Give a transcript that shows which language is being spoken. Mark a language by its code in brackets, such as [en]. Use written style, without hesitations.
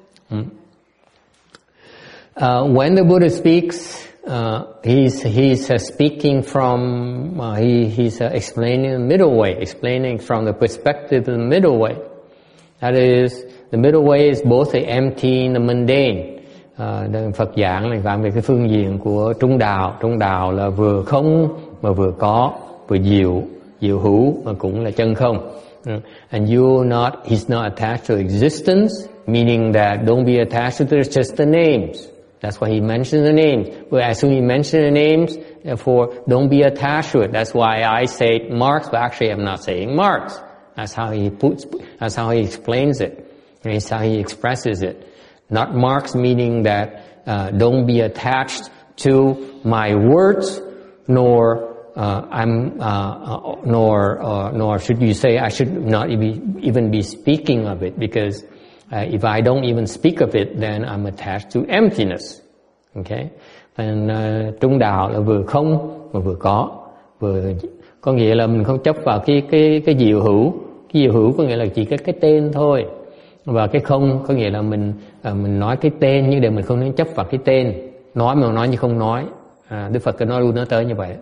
[en] When the Buddha speaks, he's explaining the middle way, explaining from the perspective of the middle way. That is, the middle way is both the empty and the mundane. [vi] Phật giảng là giảng về cái phương diện của trung đạo. Trung đạo là vừa không mà vừa có, vừa diệu hữu mà cũng là chân không. [en] And he's not attached to existence, meaning that don't be attached to this, just the names. That's why he mentioned the names. But as soon as he mentioned the names, therefore, don't be attached to it. That's why I say Marx, but actually I'm not saying Marx. That's how he explains it. It's how he expresses it. Not Marx, meaning that don't be attached to my words, I should not even be speaking of it, because if I don't even speak of it, then I'm attached to emptiness. Okay? [vi] And trung đạo là vừa không mà vừa có. Có nghĩa là mình không chấp vào cái diệu hữu. Cái diệu hữu có nghĩa là chỉ cái tên thôi. Và cái không có nghĩa là mình nói cái tên nhưng để mình không nên chấp vào cái tên. Nói mà nói như không nói. Đức Phật cứ nói luôn nó tới như vậy.